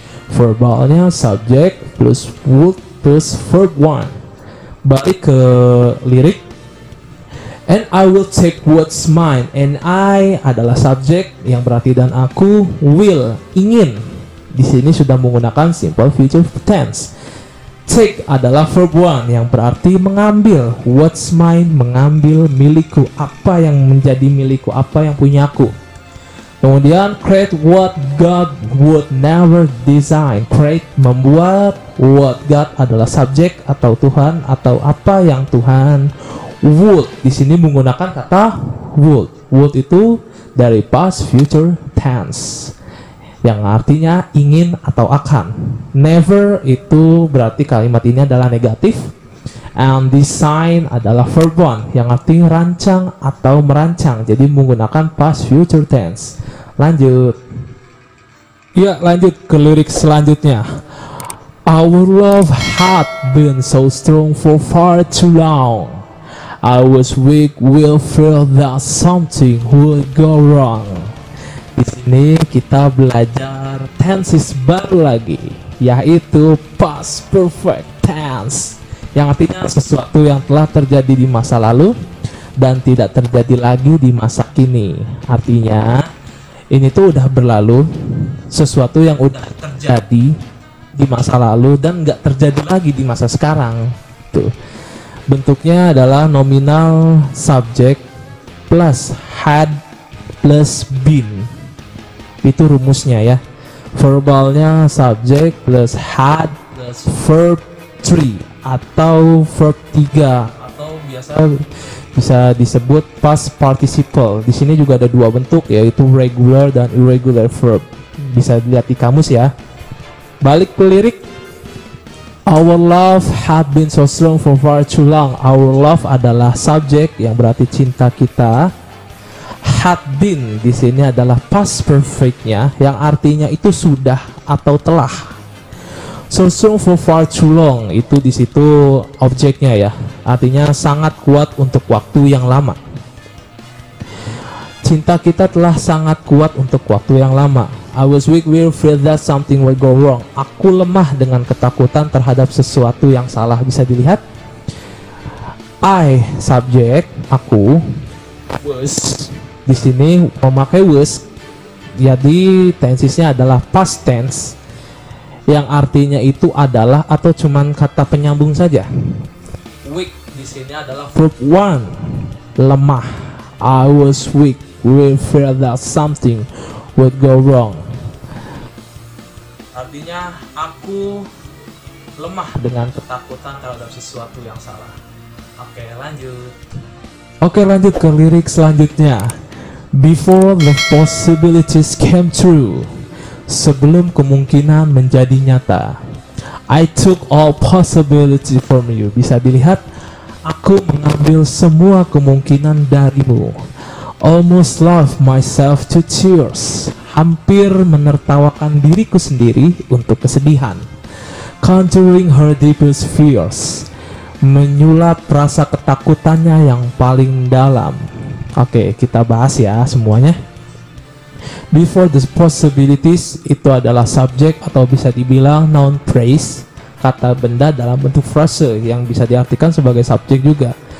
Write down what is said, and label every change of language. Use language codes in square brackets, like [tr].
[id] Verbalnya subject plus would plus verb one. Balik ke lirik. [en] And I will take what's mine. [id] And I adalah subjek yang berarti dan aku, will, ingin. Di sini sudah menggunakan simple future tense. Take adalah verb one yang berarti mengambil. What's mine, mengambil, milikku. Apa yang menjadi milikku, apa yang punyaku. Kemudian [en] create what God would never design. [id] Create membuat, what God adalah subjek atau Tuhan atau apa yang Tuhan would. Di sini menggunakan kata would. Would itu dari past future tense yang artinya ingin atau akan. Never itu berarti kalimat ini adalah negatif. And design adalah verb one yang artinya rancang atau merancang. Jadi menggunakan past future tense. Lanjut. Ya, lanjut ke lirik selanjutnya. [en] Our love had been so strong for far too long. I was weak, will feel that something would go wrong. [id] Di sini kita belajar tenses baru lagi, yaitu past perfect tense, yang artinya sesuatu yang telah terjadi di masa lalu dan tidak terjadi lagi di masa kini. Artinya ini tuh udah berlalu, sesuatu yang udah terjadi di masa lalu dan gak terjadi lagi di masa sekarang. Tuh. Bentuknya adalah nominal subject plus had plus been. Itu rumusnya ya. Verbalnya subject plus had plus verb 3 atau verb 3 atau biasa bisa disebut past participle. Di sini juga ada dua bentuk, yaitu regular dan irregular verb. Bisa dilihat di kamus ya. Balik ke lirik. [en] Our love had been so strong for far too long. [id] Our love adalah subjek yang berarti cinta kita. Had been di sini adalah past perfectnya yang artinya itu sudah atau telah. [en] So strong for far too long [id] itu di situ objeknya ya. Artinya sangat kuat untuk waktu yang lama. Cinta kita telah sangat kuat untuk waktu yang lama. [en] I was weak, will feel that something will go wrong. [id] Aku lemah dengan ketakutan terhadap sesuatu yang salah. Bisa dilihat. I, subject, aku. Was, di sini memakai was. Jadi tensesnya adalah past tense, yang artinya itu adalah atau cuman kata penyambung saja. Weak, di sini adalah verb one, lemah. [en] I was weak, will feel that something would go wrong. [id] Artinya aku lemah dengan ketakutan terhadap sesuatu yang salah. Oke, lanjut. Oke, lanjut ke lirik selanjutnya. [en] Before the possibilities came true, [id] sebelum kemungkinan menjadi nyata, [en] I took all possibilities from you. [id] Bisa dilihat, aku mengambil semua kemungkinan darimu. [en] Almost laugh myself to tears. [id] Hampir menertawakan diriku sendiri untuk kesedihan. [en] Conjuring her deepest fears. [id] Menyulap rasa ketakutannya yang paling dalam. Oke, kita bahas ya semuanya. Before the possibilities itu adalah subject atau bisa dibilang noun phrase, kata benda dalam bentuk frase yang bisa diartikan sebagai subject juga.